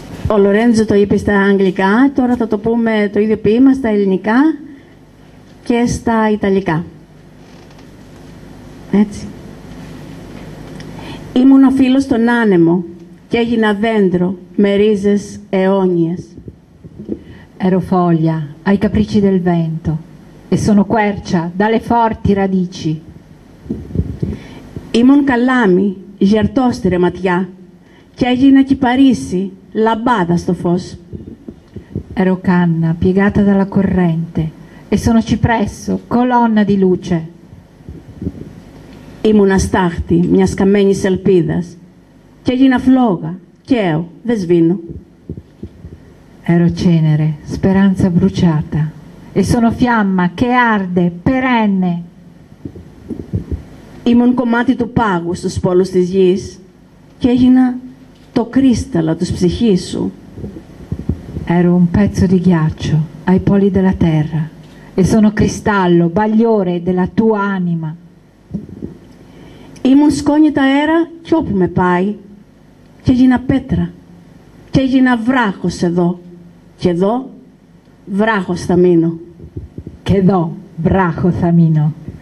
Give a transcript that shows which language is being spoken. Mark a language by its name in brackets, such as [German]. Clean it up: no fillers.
[Greek] Ο Λορέντζο το είπε στα αγγλικά, τώρα θα το πούμε το ίδιο ποίημα στα ελληνικά και στα ιταλικά. Έτσι. Ήμουν ο φίλος στον άνεμο και έγινα δέντρο με ρίζες αιώνιες. [Italian] Ero foglia ai capricci del vento e sono quercia dalle forti radici. [Greek] Ήμουν καλάμι, γερτό στρεματιά και έγινα κυπαρίσι, λαμπάδα στο φως. [Italian] Ero canna piegata dalla corrente e sono cipresso, colonna di luce. [Greek] Ήμουν αστάχτη μια καμένη ελπίδα και έγινα φλόγα, καίω, δεν σβήνω. [Italian] Ero cenere, speranza bruciata e sono fiamma che arde, perenne. [Greek] Ήμουν κομμάτι του πάγου στους πόλους της γης και έγινα το κρίσταλλο της ψυχής σου. [Italian] Ero un pezzo di ghiaccio ai poli della terra e sono cristallo, bagliore della tua anima. [Greek] Ήμουν σκόνη τ' αέρα κι όπου με πάει και έγινα πέτρα και έγινα βράχος εδώ και εδώ βράχος θα μείνω. Και εδώ βράχος θα μείνω.